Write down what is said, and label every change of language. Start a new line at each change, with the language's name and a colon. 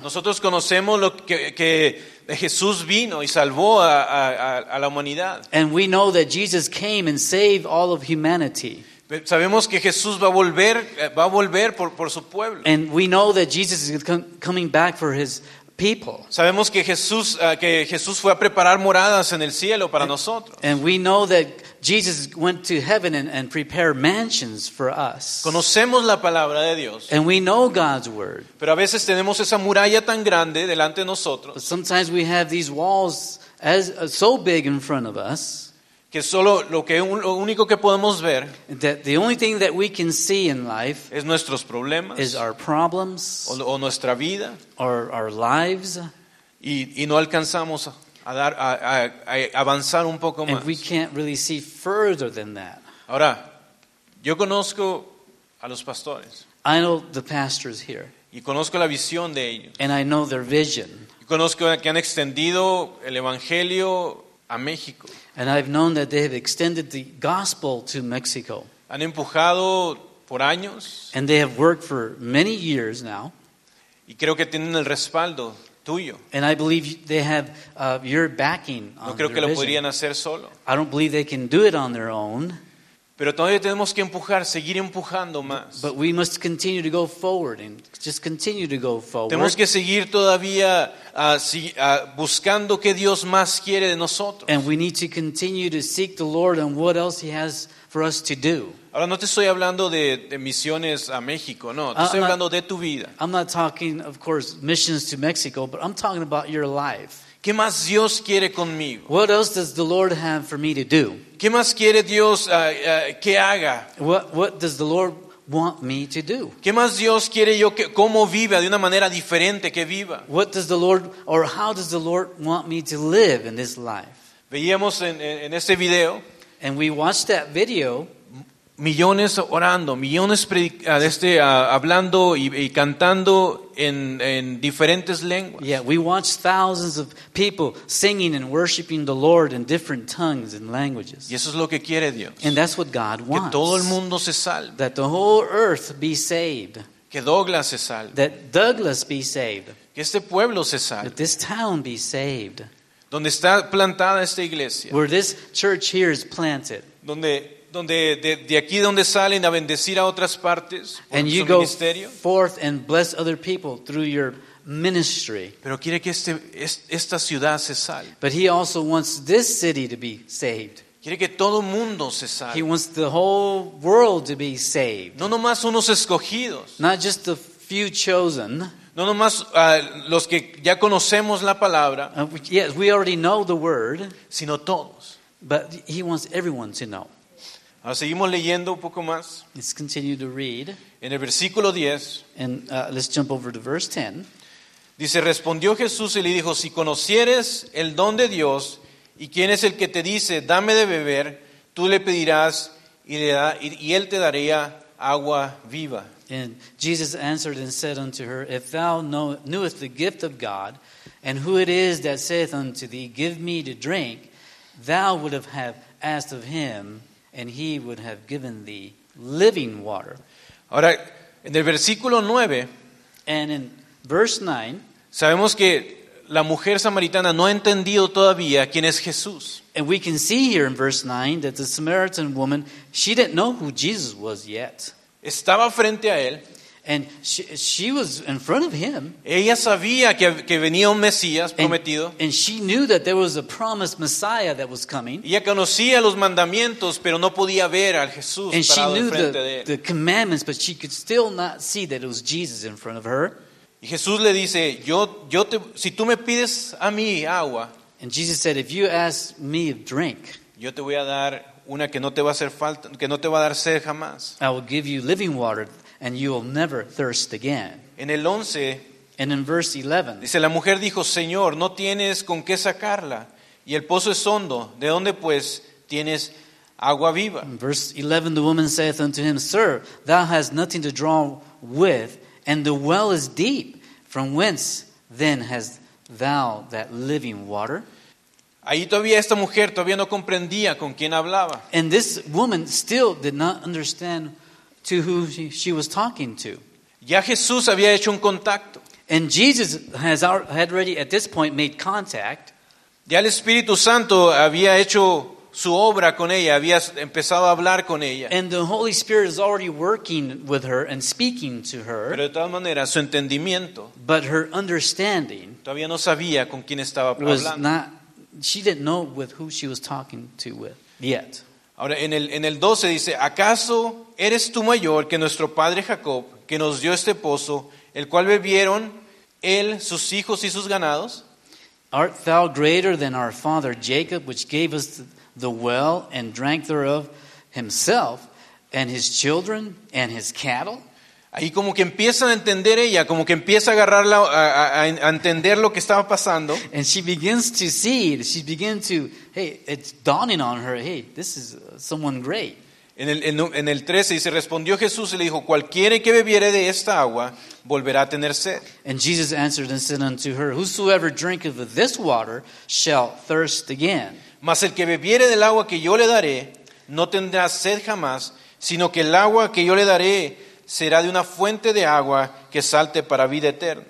Spanish: Nosotros conocemos lo que Jesús vino y salvó a la humanidad.
English: And we know that Jesus came and saved all of humanity.
Spanish: Sabemos que Jesús va a volver por su pueblo.
English: And we know that Jesus is coming back for his people.
Spanish: Sabemos que Jesús fue a preparar moradas en el cielo para nosotros.
English: And we know that Jesus went to heaven and prepared mansions for us.
Spanish: Conocemos la palabra de Dios.
English: And we know God's word.
Spanish: Pero a veces tenemos esa muralla tan grande delante de nosotros.
English: But sometimes we have these walls so big in front of us.
Spanish: Que solo lo único que podemos ver,
English: that the only thing that we can see in life,
Spanish: es nuestros problemas,
English: is our problems,
Spanish: o nuestra vida,
English: or our lives,
Spanish: y no alcanzamos a avanzar un poco más.
English: And we can't really see further than that.
Spanish: Ahora, yo conozco a los pastores.
English: I know the pastors here.
Spanish: Y conozco la visión de ellos.
English: And I know their vision.
Spanish: Y conozco que han extendido el evangelio a México.
English: And I've known that they have extended the gospel to Mexico.
Spanish: Han empujado por años.
English: And they have worked for many years now.
Spanish: Y creo que tienen el respaldo tuyo.
English: And I believe they have your backing on
Spanish: no creo
English: their
Spanish: que
English: vision.
Spanish: Lo podrían hacer solo.
English: I don't believe they can do it on their own.
Spanish: Pero todavía tenemos que empujar, seguir empujando más.
English: But we must continue to go forward and just continue to go forward.
Spanish: Tenemos que seguir todavía buscando qué Dios más quiere de nosotros.
English: And we need to continue to seek the Lord and what else he has for us to do.
Spanish: Ahora no te estoy hablando de misiones a México, no. Estoy hablando de tu vida.
English: I'm not talking, of course, missions to Mexico, but I'm talking about your life.
Spanish: ¿Qué más Dios quiere conmigo?
English: What else does the Lord have for me to do?
Spanish: ¿Qué más quiere Dios que haga?
English: What does the Lord want me to do?
Spanish: ¿Qué más Dios quiere yo que cómo viva de una manera diferente que viva?
English: What does the Lord or how does the Lord want me to live in this life?
Spanish: Veíamos en ese video.
English: And we watched that video.
Spanish: Millones orando, millones hablando y cantando en diferentes lenguas.
English: Yeah, we watched thousands of people singing and worshiping the Lord in different tongues and languages.
Spanish: Y eso es lo que quiere Dios.
English: And that's what God wants.
Spanish: Que todo el mundo se salve.
English: That the whole earth be saved.
Spanish: Que Douglas se salve.
English: That Douglas be saved.
Spanish: Que este pueblo se salve.
English: That this town be saved.
Spanish: Donde está plantada esta iglesia.
English: Where this church here is planted.
Spanish: Donde de aquí donde salen a bendecir a otras partes por su ministerio.
English: Forth and bless other people through your ministry.
Spanish: Pero quiere que esta ciudad se salve.
English: But he also wants this city to be saved.
Spanish: Quiere que todo mundo se salve.
English: He wants the whole world to be saved.
Spanish: No nomás unos escogidos.
English: Not just the few chosen.
Spanish: No nomás los que ya conocemos la palabra.
English: Yes, we already know the word.
Spanish: Sino todos.
English: But he wants everyone to know.
Spanish: Ahora seguimos leyendo un poco más.
English: Let's continue to read.
Spanish: En el versículo 10.
English: And let's jump over to verse 10.
Spanish: Dice, respondió Jesús y le dijo, si conocieres el don de Dios y quién es el que te dice, dame de beber, tú le pedirás y él te daría agua viva.
English: And Jesus answered and said unto her, if thou knewest the gift of God and who it is that saith unto thee, give me to drink, thou would have asked of him and he would have given thee living water.
Spanish: Ahora, en el versículo 9,
English: and in verse 9,
Spanish: sabemos que la mujer samaritana no ha entendido todavía quién es Jesús.
English: And we can see here in verse 9 that the Samaritan woman, she didn't know who Jesus was yet.
Spanish: Estaba frente a él.
English: And she was in front of him.
Spanish: Ella sabía que venía un Mesías prometido.
English: And she knew that there was a promised Messiah that was coming.
Spanish: Ella conocía los mandamientos, pero no podía ver al Jesús parado enfrente de él.
English: And she knew the commandments, but she could still not see that it was Jesus in front of her.
Spanish: Y Jesús le dice, si tú me pides a mí agua.
English: And Jesus said, if you ask me a drink,
Spanish: yo te voy a dar una que no te va a hacer falta, que no te va a dar sed jamás.
English: I will give you living water. And you will never thirst again.
Spanish: En el 11,
English: and in verse 11,
Spanish: dice, la mujer dijo, Señor, no tienes con qué sacarla, y el pozo es hondo, ¿de dónde pues tienes agua viva?
English: In verse 11, the woman saith unto him, Sir, thou hast nothing to draw with, and the well is deep. From whence then hast thou that living water?
Spanish: Ahí todavía esta mujer todavía no comprendía con quién hablaba.
English: And this woman still did not understand to who she was talking to.
Spanish: Ya Jesús había hecho un contacto.
English: And Jesus had already at this point made contact.
Spanish: Ya el Espíritu Santo había hecho su obra con ella, había empezado a hablar con ella.
English: And the Holy Spirit is already working with her and speaking to her.
Spanish: Pero de todas maneras, su entendimiento,
English: but her understanding,
Spanish: todavía no sabía con quién estaba hablando.
English: Was not, she didn't know with who she was talking to with yet.
Spanish: Ahora en el 12 dice, ¿acaso eres tú mayor que nuestro padre Jacob, que nos dio este pozo, el cual bebieron él, sus hijos y sus ganados?
English: Art thou greater than our father Jacob, which gave us the well and drank thereof himself and his children and his cattle?
Spanish: Ahí como que empieza a entender ella, como que empieza a agarrarla a entender lo que estaba pasando.
English: And she begins to see, she begins to, hey, it's dawning on her, hey, this is someone great.
Spanish: En el 13 dice, respondió Jesús y le dijo, cualquiera que bebiere de esta agua volverá a tener sed.
English: And Jesus answered and said unto her, whosoever drinketh of this water shall thirst again.
Spanish: Mas el que bebiere del agua que yo le daré no tendrá sed jamás, sino que el agua que yo le daré será de una fuente de agua que salte para vida eterna.